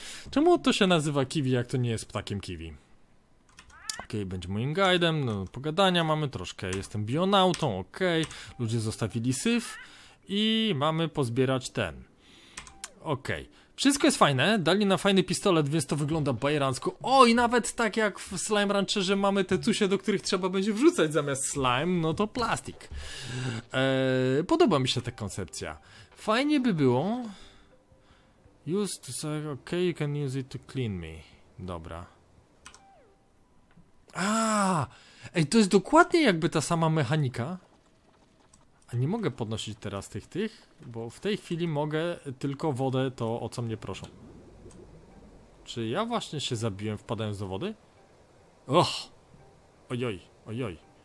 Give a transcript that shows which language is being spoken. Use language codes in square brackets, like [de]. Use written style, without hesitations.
[pl] Czemu to się nazywa kiwi, jak to nie jest ptakiem kiwi? Okej, będzie moim guidem, no pogadania mamy troszkę, jestem bionautą, okej, ludzie zostawili syf i mamy pozbierać ten. Okej, wszystko jest fajne, dali na fajny pistolet, więc to wygląda bajeransko. O, i nawet tak jak w Slime Rancherze mamy te cusie, do których trzeba będzie wrzucać zamiast slime, no to plastik. Podoba mi się ta koncepcja. Fajnie by było. [en] Use to say, okej, you can use it to clean me. [pl] Dobra. Ej, to jest dokładnie jakby ta sama mechanika. A nie mogę podnosić teraz tych, bo w tej chwili mogę tylko wodę, to o co mnie proszą. Czy ja właśnie się zabiłem wpadając do wody? Och! Ojoj, ojoj.